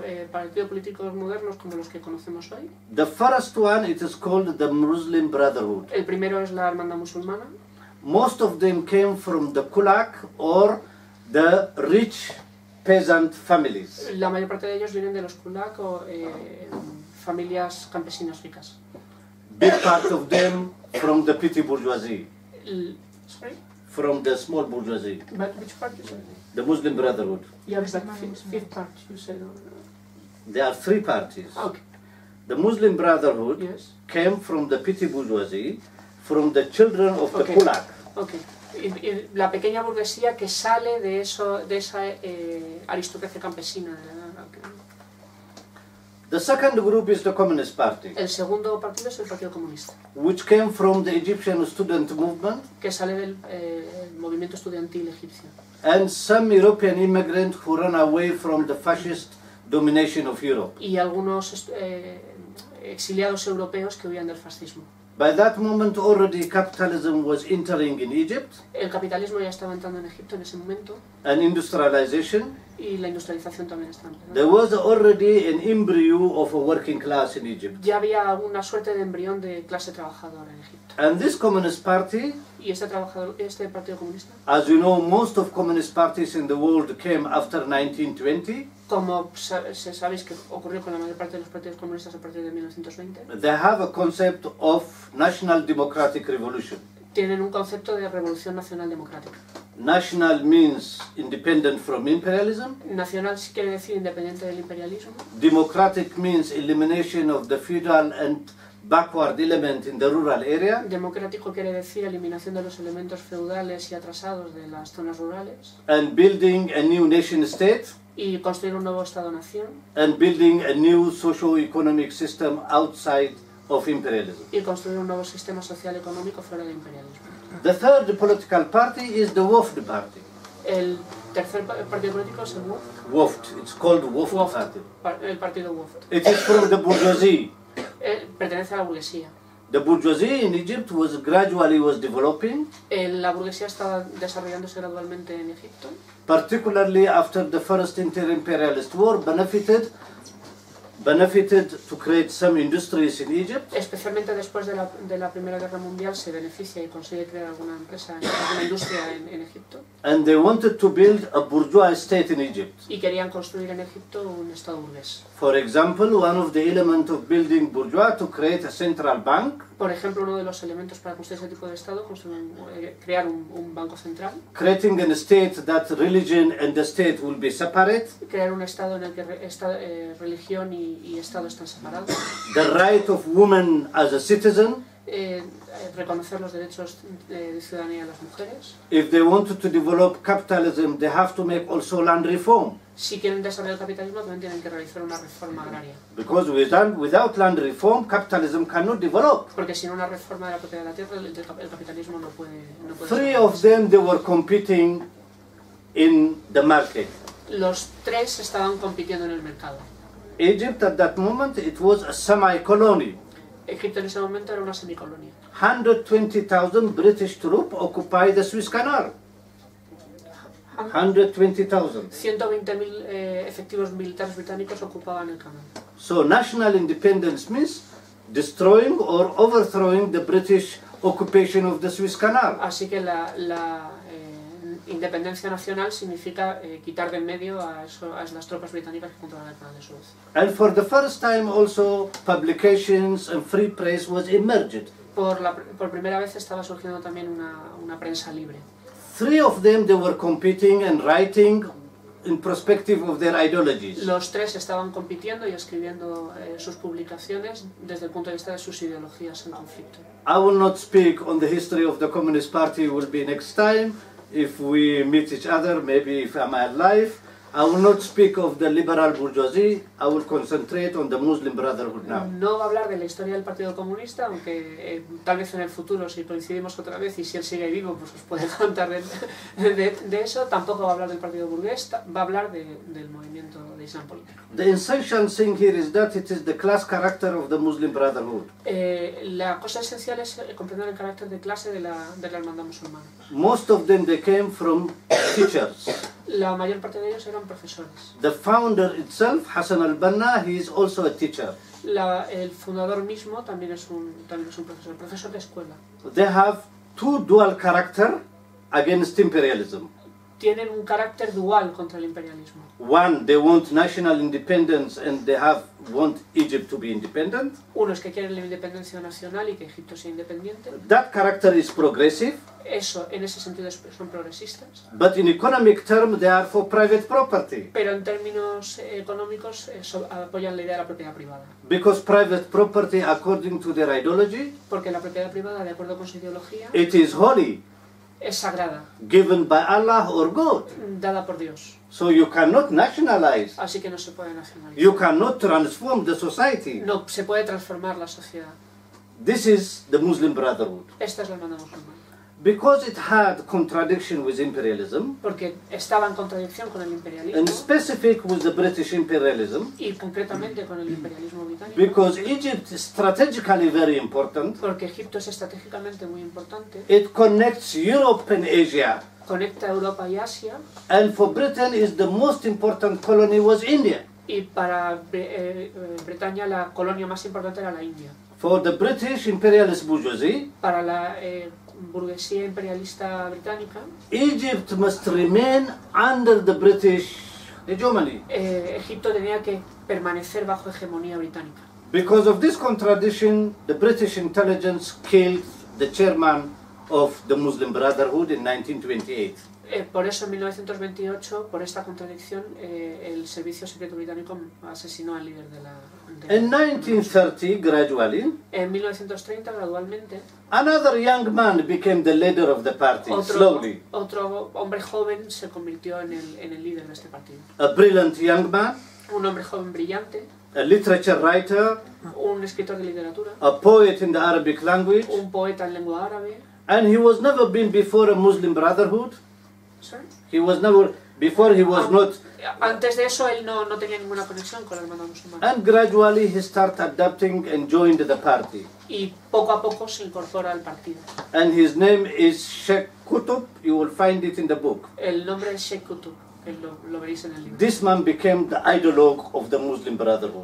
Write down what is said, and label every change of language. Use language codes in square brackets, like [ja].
[es] Partidos políticos modernos como los que conocemos hoy. [en] The first one it is called the Muslim Brotherhood. [es] El primero es la Hermandad Musulmana. [en] Most of them came from the kulak or the rich peasant families. [es] La mayor parte de ellos vienen de los kulak o familias campesinas ricas. [en] Big part of them from the petty bourgeoisie. Sorry? From the small bourgeoisie. But which part you said? The Muslim Brotherhood. Yeah, but fifth part you said. There are three parties. Okay. The Muslim Brotherhood, yes, came from the petty bourgeoisie, from the children of the kulak. Okay. [es] Y la pequeña burguesía que sale de eso, de esa aristocracia campesina. [en] The second group is the Communist Party. [es] El segundo partido es el Partido Comunista. [en] Which came from the Egyptian student movement. [es] Que sale del movimiento estudiantil egipcio. [en] And some European immigrants who ran away from the fascist domination of Europe. [es] Y algunos exiliados europeos que huían del fascismo. [en] By that moment already capitalism was entering in Egypt. [es] El capitalismo ya estaba entrando en Egipto en ese momento. [en] And industrialization. [es] Y la industrialización también estaba entrando. [en] There was already an embryo of a working class in Egypt. [es] Ya había una suerte de embrión de clase trabajadora en Egipto. [en] And this Communist Party. [es] Y este Partido Comunista. [en] As you know, most of Communist parties in the world came after 1920. [es] Como sabéis que ocurrió con la mayor parte de los partidos comunistas a partir de 1920. [en] They have a concept of national democratic revolution. [es] Tienen un concepto de revolución nacional democrática. [en] National means independent from imperialism. [es] Nacional quiere decir independiente del imperialismo. [en] Democratic means elimination of the feudal and backward element in the rural area. [es] Democrático quiere decir eliminación de los elementos feudales y atrasados de las zonas rurales. [en] And building a new nation state. [es] Y construir un nuevo estado-nación. [en] And building a new socio-economic system outside of imperialism. [es] Y construir un nuevo sistema social económico fuera del imperialismo. [en] The third political party is the WFD party. [es] El tercer partido político es el WFD. [en] WFD, it's called WFD party. [es] El partido WFD. [en] It is from the bourgeoisie. [es] Pertenece a la burguesía. [en] The bourgeoisie in Egypt was gradually developing. [es] La burguesía estaba desarrollándose gradualmente en Egipto. [en] Particularly after the first inter-imperialist war benefited to create some industries in Egypt. [es] Especialmente después de la Primera Guerra Mundial se beneficia y consigue crear alguna industria en Egipto. [en] And they wanted to build a bourgeois state in Egypt. [es] Y querían construir en Egipto un estado burgués. [en] For example, one of the elements of building bourgeois to create a central bank. [es] Por ejemplo, uno de los elementos para construir ese tipo de estado crear un banco central. [en] Creating a state that religion and the state will be separate. [es] Crear un estado en el que religión y estado están separados. [en] The right of woman as a citizen. [es] Reconocer los derechos de ciudadanía de las mujeres. [en] If they wanted to develop capitalism, they have to make also land reform. [es] Si quieren desarrollar el capitalismo, también tienen que realizar una reforma agraria. [en] Because without land reform, capitalism cannot develop. [es] Porque sin una reforma de la propiedad de la tierra, el capitalismo no puede. [en] Three of them they were competing in the market. [es] Los tres estaban compitiendo en el mercado. [en] Egypt at that moment it was a semi-colony. [es] Egipto en ese momento era una semicolonia. [en] 120,000 British troops occupy the Suez Canal. [es] 120,000 efectivos militares británicos ocupaban el canal. [en] So national independence means destroying or overthrowing the British occupation of the Suez Canal. [es] Así que la independencia nacional significa quitar de en medio a las tropas británicas que controlan el canal de Suez. [en] And for the first time also publications and free press was emerged. [es] Por primera vez estaba surgiendo también una prensa libre. [en] Three of them they were competing and writing in perspective of their ideologies. [es] Los tres estaban compitiendo y escribiendo sus publicaciones desde el punto de vista de sus ideologías en conflicto. [en] I will not speak on the history of the Communist Party. It will be next time if we meet each other, maybe if I'm alive. I will not speak of the liberal bourgeoisie. I will concentrate on the Muslim Brotherhood now. [es] No va a hablar de la historia del Partido Comunista, aunque tal vez en el futuro si coincidimos otra vez y si él sigue vivo, pues os puede contar de eso. Tampoco va a hablar del Partido Burgués. Va a hablar del movimiento de Islam político. [en] The essential thing here is that it is the class character of the Muslim Brotherhood. [es] La cosa esencial es comprender el carácter de clase de la hermandad musulmana. [en] Most of them they came from teachers. [es] La mayor parte de ellos eran profesores. [en] The founder itself, Hassan al-Banna, he is also a teacher. [es] El fundador mismo también es un profesor, profesor de escuela. [en] They have two dual character against imperialism. [es] Tienen un carácter dual contra el imperialismo. [en] One, they want national independence and they want Egypt to be independent. [es] Uno es que quieren la independencia nacional y que Egipto sea independiente. [en] That character is progressive. [es] Eso, en ese sentido son progresistas. [en] But in economic term, they are for private property. [es] Pero en términos económicos apoyan la idea de la propiedad privada. [en] Because private property, according to their ideology, [es] porque la propiedad privada, de acuerdo con su ideología, [en] it is holy. [es] Es sagrada. [en] Given by Allah or God. [es] Dada por Dios. [en] So you cannot nationalize. [es] Así que no se puede nacionalizar. [en] You cannot transform the society. [es] No se puede transformar la sociedad. [en] This is the Muslim Brotherhood. [es] Esta es la hermandad musulmana. [en] Because it had contradiction with imperialism. [es] Porque estaba en contradicción con el imperialismo. [en] In specific with the British imperialism. [es] Y concretamente con el imperialismo británico. [en] Because Egypt is strategically very important. [es] Porque Egipto es estratégicamente muy importante. [en] It connects Europe and Asia. [es] Conecta Europa y Asia. [en] And for Britain is the most important colony was India. [es] Y para Bretaña la colonia más importante era la India. [en] For the British imperialist bourgeoisie. [es] Para la burguesía imperialista británica. [en] Egypt must remain under the British hegemony. [es] Egipto tenía que permanecer bajo hegemonía británica. [en] Because of this contradiction, the British intelligence killed the chairman of the Muslim Brotherhood in 1928. [es] Por eso, en 1928, por esta contradicción, el servicio secreto británico asesinó al líder de la... En 1930, gradualmente, [en] another young man became the leader of the party, slowly. [es] Otro hombre joven se convirtió en el líder de este partido. [en] A brilliant young man. [es] Un hombre joven brillante. [en] A literature writer. [es] Un escritor de literatura. [en] A poet in the Arabic language. [es] Un poeta en lengua árabe. [en] And he was never been before a Muslim Brotherhood. He was never before. He was not. [es] Antes de eso, él no tenía ninguna conexión con la hermandad musulmana. [en] And gradually he started adapting and joined the party. [es] Y poco a poco se incorpora al partido. [en] And his name is Sheikh Qutb. You will find it in the book. [es] El nombre es Sheikh Qutb. Lo veréis en el libro. [en] This man became the ideologue of the Muslim Brotherhood.